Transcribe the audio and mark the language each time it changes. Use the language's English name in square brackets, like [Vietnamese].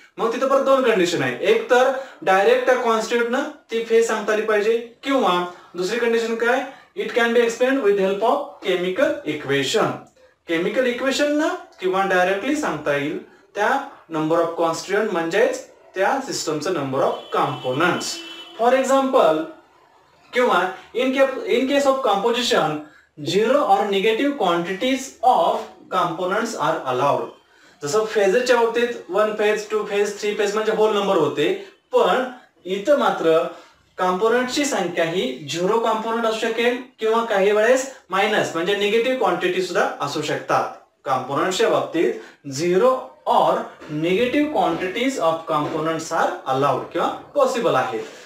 [Marathi] मग तिथे परत दोन कंडिशन आहे, एक तर डायरेक्ट त्या कॉन्स्टिट्युएंटने ती फेज सांगता आली पाहिजे किंवा दुसरी कंडिशन काय, [English] It can be explain with help of chemical equation. [Marathi] Chemical equation ना किंवा डायरेक्टली सांगता येईल त्या नंबर ऑफ कॉन्स्टिट्युएंट म्हणजेच त्या सिस्टमचं number of components. [English] For example किंवा in case of composition zero or negative quantities of components are allowed. [Marathi] जसं फेजच्या बाबतीत one phase two phase three phase म्हणजे होल नंबर होते, पण इथं मात्र कंपोनंटची संख्या ही झिरो कंपोनंट असू शकेल किंवा काही वेळेस मायनस म्हणजे निगेटिव्ह क्वांटिटी सुद्धा असू शकतात. कंपोनंटच्या बाबतीत [English] zero or negative quantities of components are allowed [Marathi] किंवा पॉसिबल आहेत.